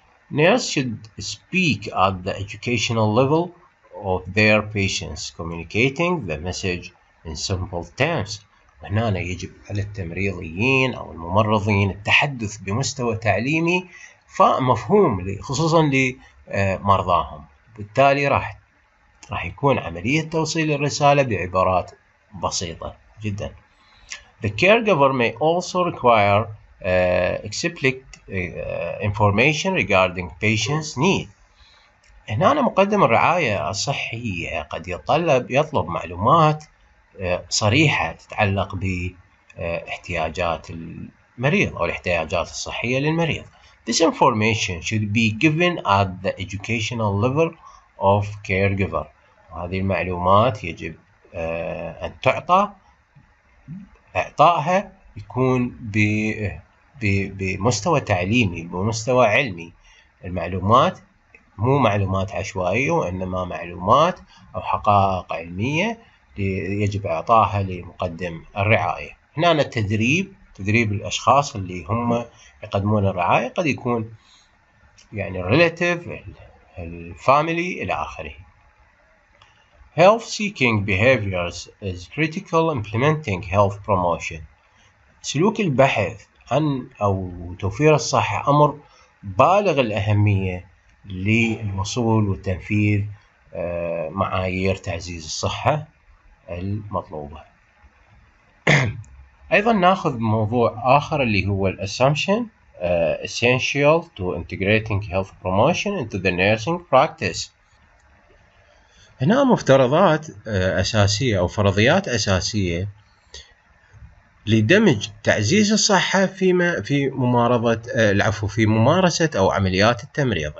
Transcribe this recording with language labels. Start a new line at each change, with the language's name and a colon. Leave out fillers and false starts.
English: Nurses should speak at the educational level of their patients, communicating the message in simple terms.
Arabic: هنا يجب على التمريضيين أو الممرضين التحدث بمستوى تعليمي فمفهوم خصوصا لمرضاهم، بالتالي راح يكون عملية توصيل الرسالة بعبارات بسيطة جدا.
English: The caregiver may also require explicit information regarding patient's need.
Arabic: هنا مقدم الرعاية الصحية قد يطلب معلومات صريحة تتعلق باحتياجات المريض أو الاحتياجات الصحية للمريض.
English: This information should be given at the educational level of caregiver.
Arabic: هذه المعلومات يجب أن تعطى، إعطائها يكون بمستوى تعليمي بمستوى علمي. المعلومات مو معلومات عشوائية وإنما معلومات أو حقائق علمية يجب إعطائها لمقدم الرعاية. هنا تدريب الأشخاص اللي هم يقدمون الرعاية قد يكون يعني
English: الريلاتيف الفاميلي
Arabic: إلى آخره.
English: Health seeking behaviors is critical implementing health promotion.
Arabic: سلوك البحث عن أو توفير الصحة أمر بالغ الأهمية للوصول وتنفيذ معايير تعزيز الصحة المطلوبة. أيضا نأخذ موضوع آخر اللي هو
English: assumption essential to integrating health promotion into the nursing practice.
Arabic: هنا مفترضات أساسية أو فرضيات أساسية لدمج تعزيز الصحة في ممارسة في ممارسة أو عمليات التمريض.